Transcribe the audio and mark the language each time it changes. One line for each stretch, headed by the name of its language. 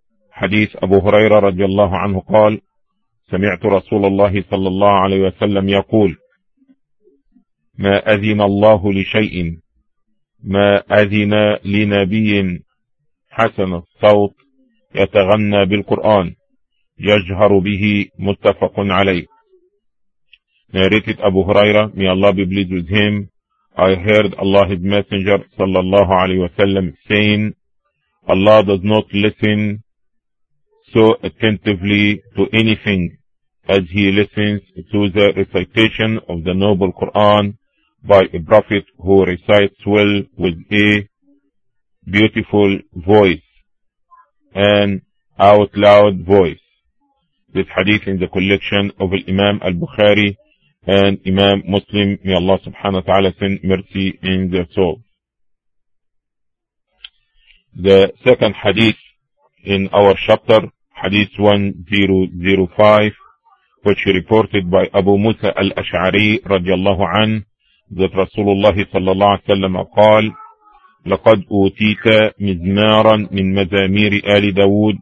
Arabic: حديث أبو هريرة رضي الله عنه قال: سمعت رسول الله صلى الله عليه وسلم يقول: ما أذن الله لشيء، ما أذن لنبي حسن الصوت يتغنى بالقرآن يجهر به. متفق عليه.
English: narrated أبو هريرة, may Allah be pleased with him, I heard Allah's Messenger sallallahu alayhi wa sallam saying, Allah does not listen so attentively to anything as he listens to the recitation of the noble Quran by a prophet who recites well with a beautiful voice and out loud voice. This hadith in the collection of Imam al-Bukhari and Imam Muslim, may Allah subhanahu wa ta'ala send mercy in their soul. The second hadith in our chapter, hadith 1005, which reported by Abu Musa al-Ash'ari radiyallahu an, that Rasulullah sallallahu alayhi wa sallam qal,
Arabic: لقد أوتيت مزمارا من مزامير آل داود.